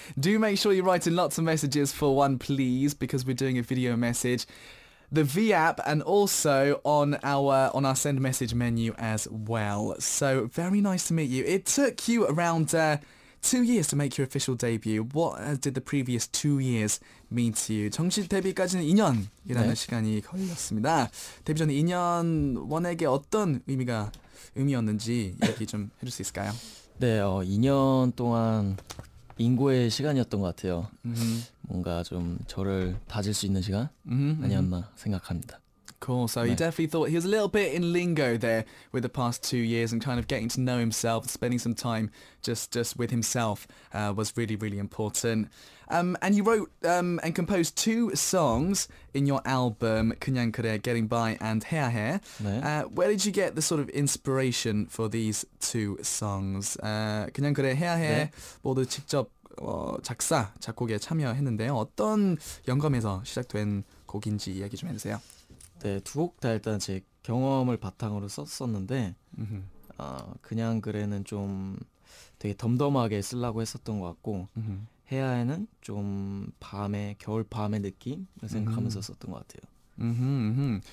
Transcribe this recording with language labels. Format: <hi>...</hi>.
<en>Do make sure you're writing lots of messages for Won, please, because we're doing a video message. The V app and also on our send message menu as well. So very nice to meet you. It took you around 2 years to make your official debut. What did the previous 2 years mean to you?</en> <ko>정식 데뷔까지는 2년이라는 네. 시간이 걸렸습니다. 데뷔 전 2년 원에게 어떤 의미였는지 얘기 좀 해줄 수 있을까요? 네, 2년 동안 인고의 시간이었던 것 같아요. 뭔가 좀 저를 다질 수 있는 시간 아니었나 생각합니다.</ko> <en>Cool. So he definitely thought he was a little bit in lingo there with the past 2 years and kind of getting to know himself, spending some time just with himself was really, really important. And you wrote and composed 2 songs in your album, 그냥 그래, Getting By and 해야 해.</en> <ko>네.</ko> <en>Where did you get the sort of inspiration for these 2 songs?</en> <ko>그냥 그래, 해야 해, 네. 모두 직접 작사, 작곡에 참여했는데요. 어떤 영감에서 시작된 곡인지 이야기 좀 해주세요. 네, 두 곡 다 일단 제 경험을 바탕으로 썼었는데 그냥 그래는 좀 되게 덤덤하게 쓰려고 했었던 것 같고 해야에는 좀 밤에, 겨울밤의 느낌을 생각하면서 썼던 것 같아요.</ko>